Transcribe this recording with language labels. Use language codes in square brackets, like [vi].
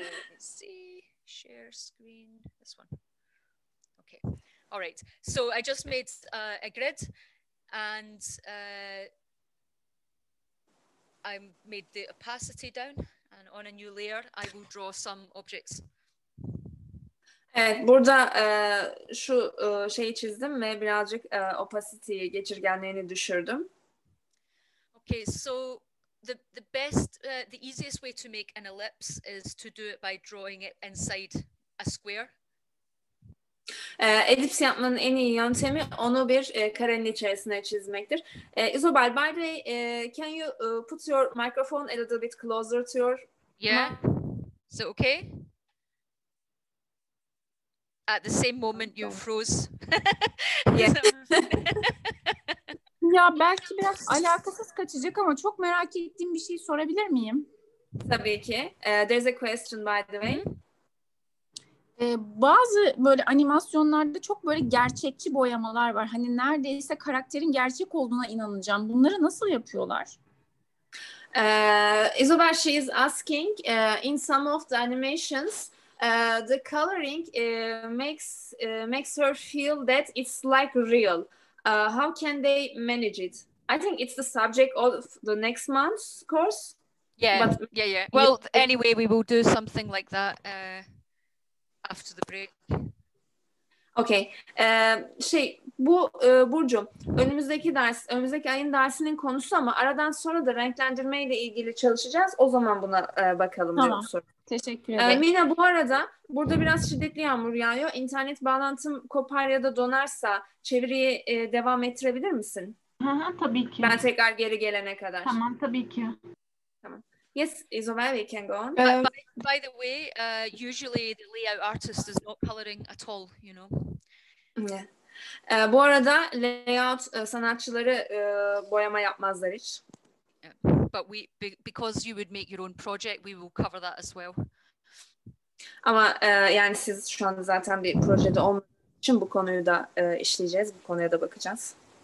[en] let's see. Share screen. This one. Okay. All right. So I just made a grid, and I made the opacity down. And on a new layer, I will draw some objects. [tr] Evet, burada şu şeyi çizdim ve birazcık opacity, geçirgenliğini düşürdüm. [en] Okay, so the best, the easiest way to make an ellipse is to do it by drawing it inside a square. [tr] Ellips yapmanın en iyi yöntemi onu bir karenin içerisine çizmektir. [en] Isobel, by the way, can you put your microphone a little bit closer to your mouth? Yeah, is it okay? At the same moment you froze. Yeah. [tr] Ya belki biraz alakasız kaçacak ama çok merak ettiğim bir şey sorabilir miyim? Tabii ki. [en] There's a question by the way. [tr] Bazı böyle animasyonlarda çok böyle gerçekçi boyamalar var. Hani neredeyse karakterin gerçek olduğuna inanacağım. Bunları nasıl yapıyorlar? [en] Isabel, she is asking, in some of the animations, the coloring makes her feel that it's like real. How can they manage it? I think it's the subject of the next month's course. Yeah, but yeah, yeah. Well, anyway, we will do something like that after the break. Okay. [tr] Şey, bu Burcu, önümüzdeki ders, önümüzdeki ayın dersinin konusu ama aradan sonra da renklendirmeyle ilgili çalışacağız. O zaman buna bakalım. Tamam. Teşekkür ederim. Mina, bu arada burada biraz şiddetli yağmur yağıyor. İnternet bağlantım kopar ya da donarsa çeviriyi devam ettirebilir misin? Aha, tabii ki. Ben tekrar geri gelene kadar. Tamam, tabii ki. [en] Yes, Isabel, we can go on. By the way, usually the layout artist is not coloring at all, you know. [tr] Yeah. Bu arada layout sanatçıları boyama yapmazlar hiç. [en] Yeah. But because you would make your own project, we will cover that as well. [tr] Ama yani siz şu an zaten bir projede olmadığınız için bu konuyu da işleyeceğiz, bu konuya da bakacağız.